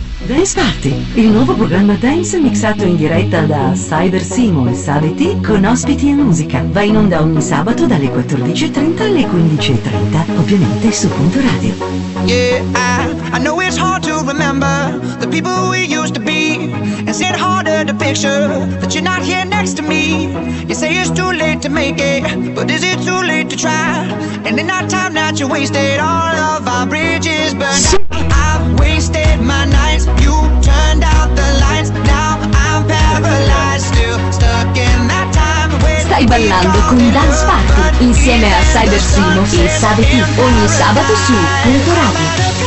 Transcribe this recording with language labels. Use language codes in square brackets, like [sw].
[it] Dance Party, il nuovo programma dance mixato in diretta da Cyber Simo e Saveti con ospiti e musica. Va in onda ogni sabato dalle 14.30 alle 15.30, ovviamente su Punto Radio. [en] Yeah, I know it's hard to remember the people we used to be. Is it harder to picture that you're not here next to me? You say it's too late to make it, but is it too late to try? And in our time that you wasted, all of our bridges burned. Wasted my nights, you turned out the lights. Now I'm paralyzed, still stuck in that time. [it] When stai ballando con Dance Party insieme a Cyber Simo e Saveti ogni sabato su Punto Radio.